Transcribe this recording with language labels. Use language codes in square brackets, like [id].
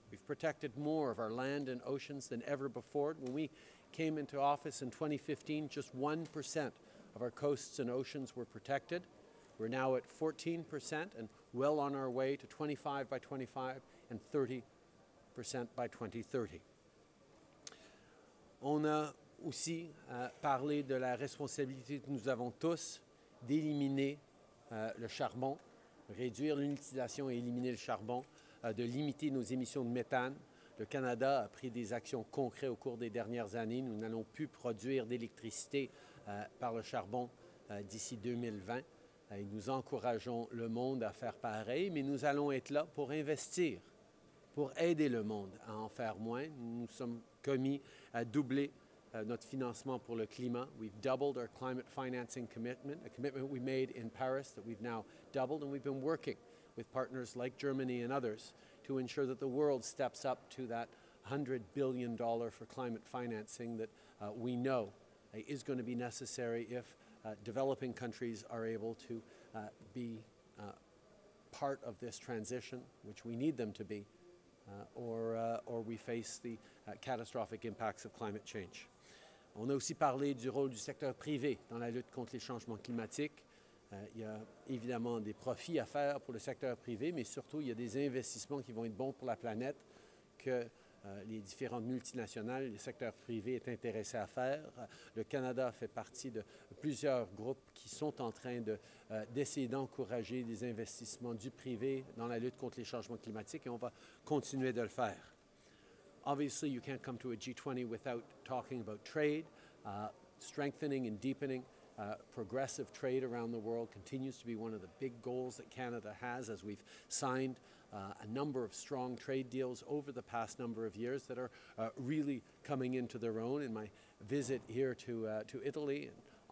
[en] We've protected more of our land and oceans than ever before. When we came into office in 2015, just 1% of our coasts and oceans were protected. We're now at 14% and well on our way to 25% by 2025 and 30% by 2030. [fr] On a aussi parlé de la responsabilité que nous avons tous d'éliminer le charbon, réduire l'utilisation et éliminer le charbon, de limiter nos émissions de méthane. Le Canada a pris des actions concrètes au cours des dernières années. Nous n'allons plus produire d'électricité par le charbon d'ici 2020. Et nous encourageons le monde à faire pareil, mais nous allons être là pour investir, pour aider le monde à en faire moins. Nous sommes commis à doubler notre financement pour le climat. [en] We've doubled our climate financing commitment, a commitment we made in Paris that we've now doubled, and we've been working with partners like Germany and others to ensure that the world steps up to that $100 billion for climate financing that we know is going to be necessary if developing countries are able to be part of this transition, which we need them to be, or we face the catastrophic impacts of climate change. [fr] On a aussi parlé du rôle du secteur privé dans la lutte contre les changements climatiques. Il y a évidemment des profits à faire pour le secteur privé, mais surtout il y a des investissements qui vont être bons pour la planète que les différentes multinationales, le secteur privé est intéressé à faire. Le Canada fait partie de plusieurs groupes qui sont en train d'essayer d'encourager des investissements du privé dans la lutte contre les changements climatiques et on va continuer de le faire. [en] Obviously, you can't come to a G20 without talking about trade. Strengthening and deepening progressive trade around the world continues to be one of the big goals that Canada has, as we've signed a number of strong trade deals over the past number of years that are really coming into their own. In my visit here to Italy and